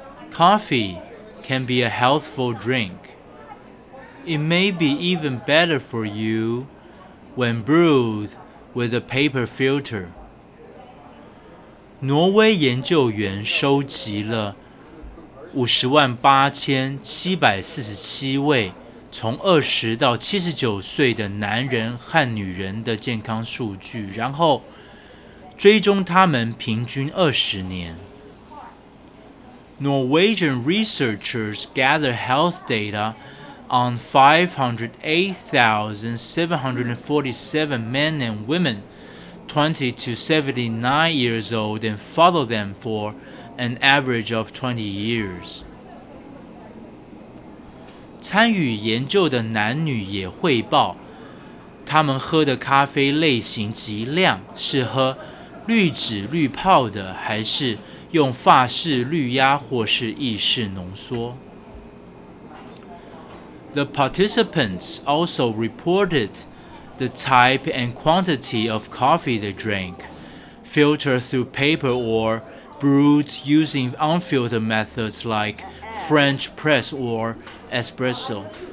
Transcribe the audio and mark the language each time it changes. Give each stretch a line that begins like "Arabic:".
English: Coffee can be a healthful drinkIt may be even better for you when brewed with a paper filter.
Chinese: 挪威研究员收集了508,747位从20到79岁的男人和女人的健康数据，然后追踪他们平均20年。
English: Norwegian researchers gather health data. On 508,747 men and women 20 to 79 years old and follow them for an average of 20 years.
Chinese: 参与研究的男女也汇报，他们喝的咖啡类型及量是喝绿纸绿泡的，还是用法式绿鸭或是意式浓缩。
English: The participants also reported the type and quantity of coffee they drank, filtered through paper or brewed using unfiltered methods like French press or espresso.